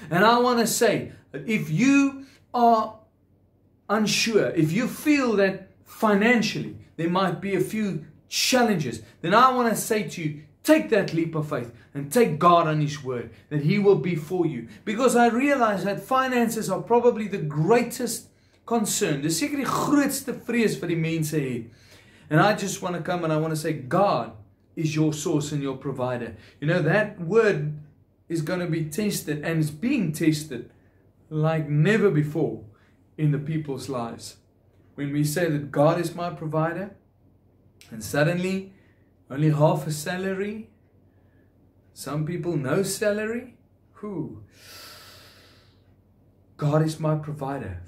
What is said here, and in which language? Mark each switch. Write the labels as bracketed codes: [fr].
[en] And I want to say, if you are unsure, if you feel that financially there might be a few challenges, then I want to say to you, take that leap of faith and take God on His word that He will be for you. Because I realize that finances are probably the greatest concern. [af] Dis seker die grootste vrees wat die mense het. [en] And I just want to come and I want to say, God is your source and your provider. You know, that word is going to be tested and it's being tested like never before in the people's lives. When we say that God is my provider and suddenly only half a salary, some people no salary, God is my provider.